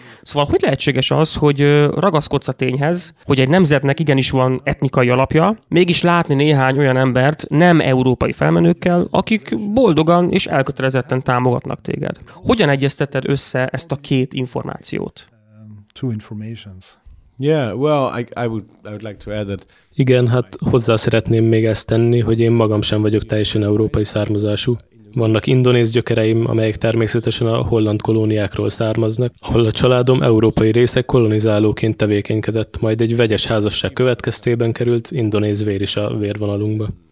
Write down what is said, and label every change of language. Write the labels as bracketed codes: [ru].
[hu] Szóval hogy lehetséges az, hogy ragaszkodsz a tényhez, hogy egy nemzetnek igenis van etnikai alapja, mégis látni néhány olyan embert nem európai felmenőkkel, akik boldogan és elkötelezetten támogatnak téged. Hogyan egyeztetted össze ezt a két információt? [en] Two informations. Yeah, well, I would like to add that. [hu] Igen, hát hozzá szeretném még ezt tenni, hogy én magam sem vagyok teljesen európai származású. Vannak indonéz gyökereim, amelyek természetesen a holland kolóniákról származnak, ahol a családom európai része kolonizálóként tevékenykedett, majd egy vegyes házasság következtében került indonéz vér is a vérvonalunkba.